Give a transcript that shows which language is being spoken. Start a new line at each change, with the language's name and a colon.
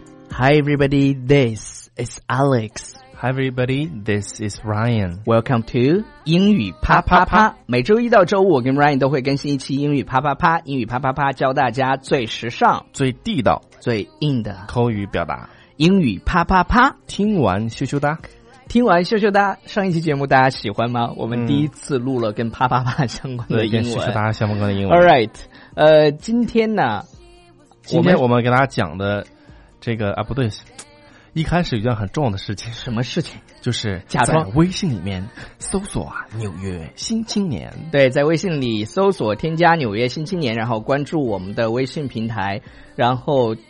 English: Hi everybody, this is Alex. Hi everybody, this is Ryan. Welcome to
Chinese: 英语啪啪啪。每周一到周五，我跟 Ryan 都会更新一期英语啪啪啪。英语啪啪啪教大家最时尚、最地道、最硬的口语表达。英语啪啪啪，听完羞羞哒。听完羞羞哒，上一期节目大家喜欢吗？我们第一次录了跟啪啪啪相关的英文，跟羞羞哒相关的英文。
English: All right，
Chinese: 今天呢，今天我们给大家讲的这个啊，不对，一开始有件很重要的事情。什么事情？就是在微信里面搜索啊，纽约新青年。对，在微信里搜索添加纽约新青年，然后关注我们的微信平台，然后。